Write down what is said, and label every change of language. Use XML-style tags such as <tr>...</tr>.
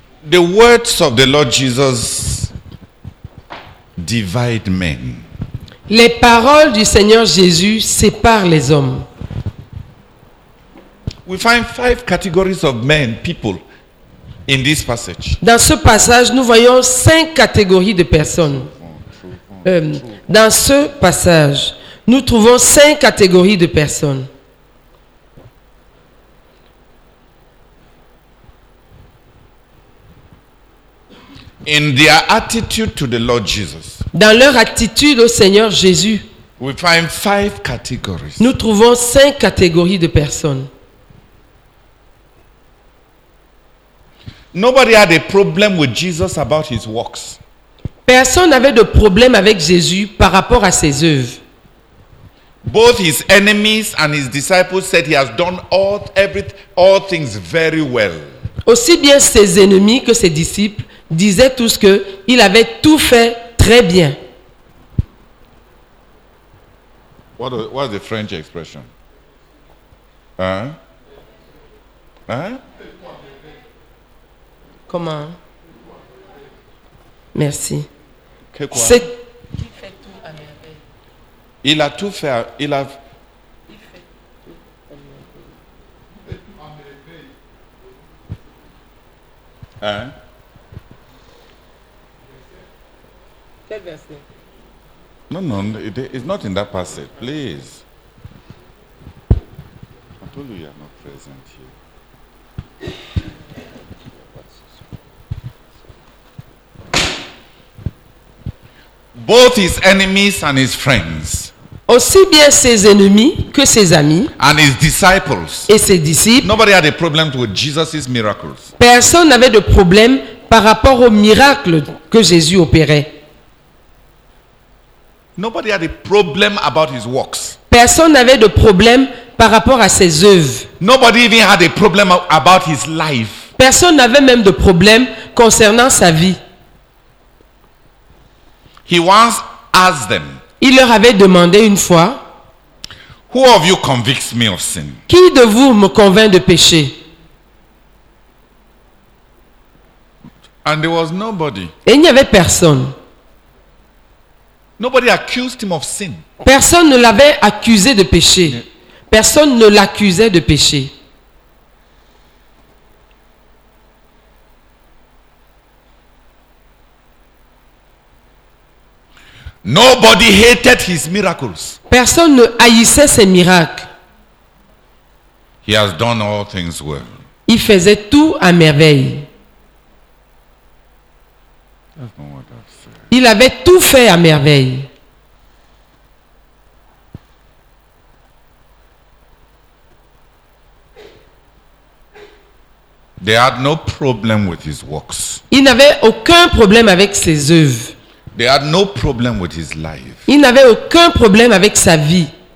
<en>The words of the Lord Jesus divide men.</en> <fr>Les paroles du Seigneur Jésus séparent les hommes.</fr> <en>We find five categories of men, people. In this passage.</en> <fr>Dans ce passage, nous voyons cinq catégories de personnes. Dans ce passage, nous trouvons cinq catégories de personnes.</fr> <en>In their attitude to the Lord Jesus.</en> <fr>Dans leur attitude au Seigneur Jésus.</fr> <en>We find five categories.</en> <fr>Nous trouvons cinq catégories de personnes.</fr> <en>Nobody had a problem with Jesus about his works.</en> <fr>Personne n'avait de problème avec Jésus par rapport à ses œuvres.</fr> <en>Both his enemies and his disciples said he has done all things very well.</en> <fr>Aussi bien ses ennemis que ses disciples disaient tous que il avait tout fait très bien.</fr> <en>What is the French expression? Hein? Hein?</en> <fr>Comment? Merci. Que quoi? C'est... Il a tout fait. Il a. Il fait tout à merveille. Hein? Quel verset? Non, non,</fr> <en>it's not in that passage, please. I told you you are not present here. Both his enemies and his friends.</en> <fr>Aussi bien ses ennemis que ses amis</fr> <en>and his disciples.</en> <fr>Et ses disciples.</fr> <en>Nobody had a problem with Jesus's miracles.</en> <fr>Personne n'avait de problème par rapport aux miracles que Jésus opérait.</fr> <en>Nobody had a problem about his works.</en> <fr>Personne n'avait de problème par rapport à ses œuvres.</fr> <en>Nobody even had a problem about his life.</en> <fr>Personne n'avait même de problème concernant sa vie.</fr> <en>He once asked them.</en> <fr>Il leur avait demandé une fois,</fr> <en>who of you convicts me of sin?</en> <fr>Qui de vous me convainc de péché?</fr> <en>And there was nobody.</en> <fr>Et il n'y avait personne.</fr> <en>Nobody accused him of sin.</en> <fr>Personne ne l'avait accusé de péché. Personne ne l'accusait de péché.</fr> <en>Nobody hated his miracles.</en> <fr>Personne ne haïssait ses miracles.</fr> <en>He has done all things well.</en> <fr>Il faisait tout à merveille.</fr> <en>That's not what I've said.</en> <fr>Il avait tout fait à merveille.</fr> <en>They had no problem with his works.</en> <fr>Ils n'avaient aucun problème avec ses œuvres.</fr> <en>They had no problem with his life.</en> <fr>Ils n'avaient aucun problème avec sa vie.</fr>